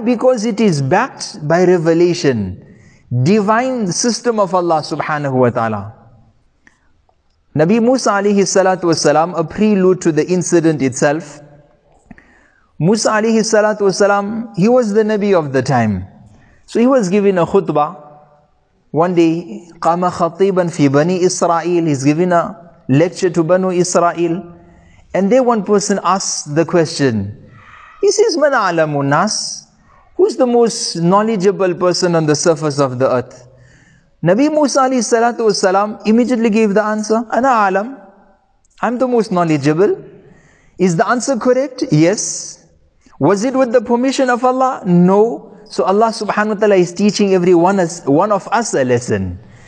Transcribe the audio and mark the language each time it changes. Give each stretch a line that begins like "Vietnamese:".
English: Because it is backed by revelation, divine system of Allah subhanahu wa ta'ala. Nabi Musa alayhi salatu wasalam, a prelude to the incident itself. Musa alayhi salatu wasalam, he was the Nabi of the time. So he was given a khutbah. One day,
Arabic: قام خطيبا في بني إسرائيل.
English: He's giving a lecture to Banu Israel. And there one person asks the question. He says,
Arabic: من أعلم الناس?
English: Who's the most knowledgeable person on the surface of the earth? Nabi Musa alayhi salatu wasalam immediately gave the answer.
Arabic: أنا أعلم.
English: I'm the most knowledgeable. Is the answer correct? Yes. Was it with the permission of Allah? No. So Allah subhanahu wa ta'ala is teaching every one of us a lesson.